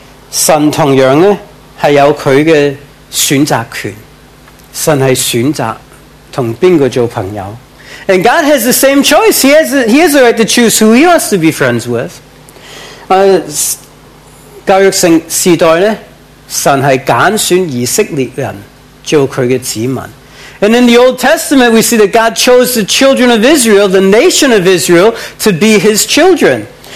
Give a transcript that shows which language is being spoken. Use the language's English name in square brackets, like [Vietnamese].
[Chinese] 神同樣呢,是有祂的選擇權, 神是選擇跟誰做朋友, [English] and God has the same choice. He has the right to choose who He wants to be friends with. [Chinese] 教育時代呢, 神是揀選以色列人,做祂的子民。 [English] And in the Old Testament, we see that God chose the children of Israel, the nation of Israel, to be His children.